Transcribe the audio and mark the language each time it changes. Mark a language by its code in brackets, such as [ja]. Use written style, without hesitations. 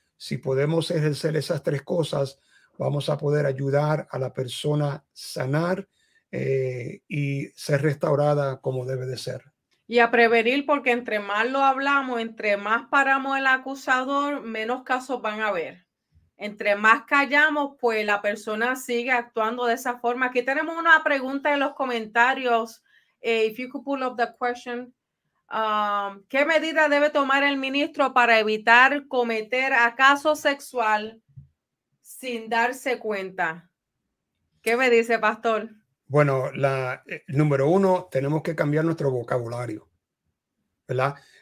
[es] Si podemos ejercer esas tres cosas, vamos a poder ayudar a la persona sanar y ser restaurada como debe de ser. Y a prevenir, porque entre más lo hablamos, entre más paramos el acusador, menos casos van a haber. Entre más callamos, pues la persona sigue actuando de esa forma. Aquí tenemos una pregunta en los comentarios. [en] If you could pull up the question. [es] ¿Qué medida debe tomar el ministro para evitar cometer acoso sexual sin darse cuenta? ¿Qué me dice, pastor? Bueno, número uno, tenemos que cambiar nuestro vocabulario, ¿verdad?